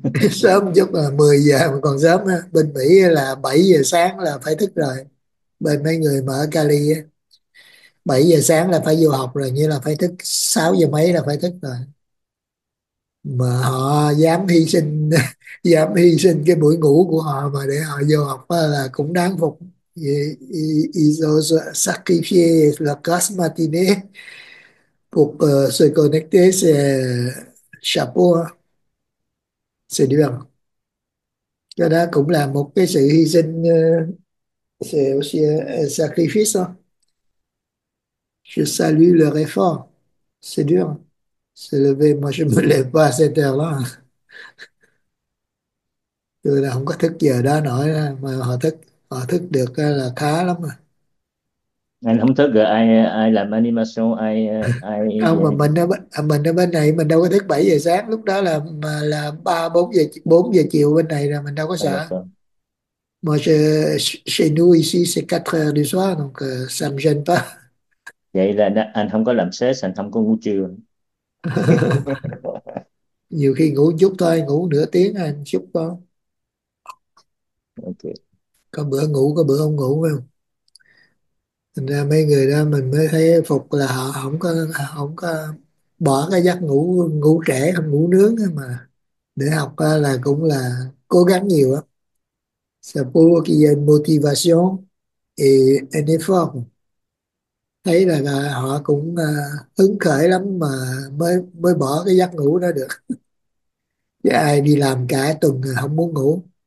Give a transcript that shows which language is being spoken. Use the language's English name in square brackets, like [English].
[Vietnamese] Sớm chút là 10 giờ mà còn sớm á. Bên Mỹ là 7 giờ sáng là phải thức rồi. Bên mấy người mà ở Cali á, 7 giờ sáng là phải vô học rồi, như là phải thức 6 giờ mấy là phải thức rồi. Mà họ dám hy sinh dám hy sinh cái buổi ngủ của họ mà để họ vô học là cũng đáng phục. [French] Ils sacrifient la classe matinée pour se connecter, c'est chapeau. C'est dur. [Vietnamese] Cái đó cũng là một cái sự hy sinh, [French] c'est aussi un sacrifice. Je salue leur effort. C'est dur. Se lever, moi je me lève pas à 7 h là. [Vietnamese] Tôi là không có thức giờ đó nổi, mà họ thức được là khá lắm Anh không thức rồi, ai ai làm animation, ai à. ai Không, mà mình ở bên này mình đâu có thức 7 giờ sáng, lúc đó là mà là 3 4 giờ chiều bên này rồi, mình đâu có à, sợ. [French] Moi chez nous ici c'est 4 h du soir donc ça me gêne [Vietnamese] vậy là anh không có làm sếp, anh không có ngủ trưa. [French] pas. [Vietnamese] Nhiều khi ngủ chút thôi, ngủ nửa tiếng anh chút thôi. Có bữa ngủ có bữa không ngủ phải không? Thành ra mấy người đó mình mới thấy phục là họ không có bỏ cái giấc ngủ ngủ trễ không ngủ nướng, mà để học là cũng là cố gắng nhiều lắm. [French] Ça prouve qu'il y a une motivation et un effort. [Vietnamese] Thấy là họ cũng hứng khởi lắm mà mới mới bỏ cái giấc ngủ đó được. Chứ ai đi làm cả tuần không muốn ngủ.